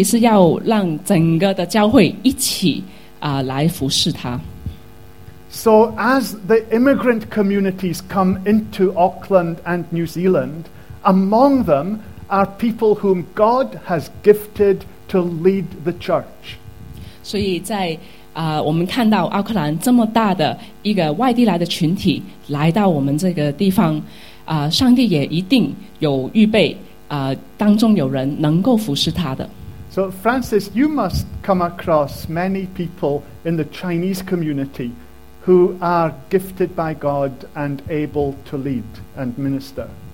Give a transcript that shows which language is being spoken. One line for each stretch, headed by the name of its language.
Chinese: 上帝是要让整个的教会一起, 来服侍他。
English: So as the immigrant communities come into Auckland and New Zealand, among them are people whom God has gifted to lead the church.
Chinese: 所以在 我们看到奥克兰这么大的一个外地来的群体来到我们这个地方, 上帝也一定有预备, 当中有人能够服侍他的。
English: So Francis, you must come across many people in the Chinese community who are gifted by God and able to lead and minister.